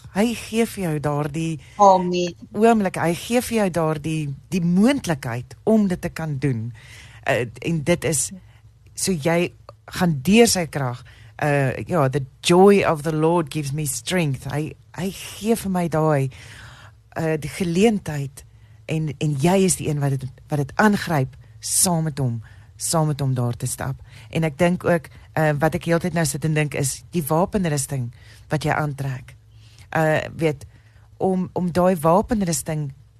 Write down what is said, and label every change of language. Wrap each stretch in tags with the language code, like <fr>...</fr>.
<af>Hy gee vir jou daardie oomblik. Hy gee vir jou daardie die moontlikheid om dit te kan doen. En dit is so jy gaan deur sy krag.</af> <en>The joy of the Lord gives me strength.</en> <af>Hy gee vir my daai die geleentheid en jy is die een wat dit aangryp saam met hom daar te stap. En ek dink ook wat ek heeltyd nou sit en dink is die wapenrusting wat jy aantrek. Weet om daai wapenrusting</af>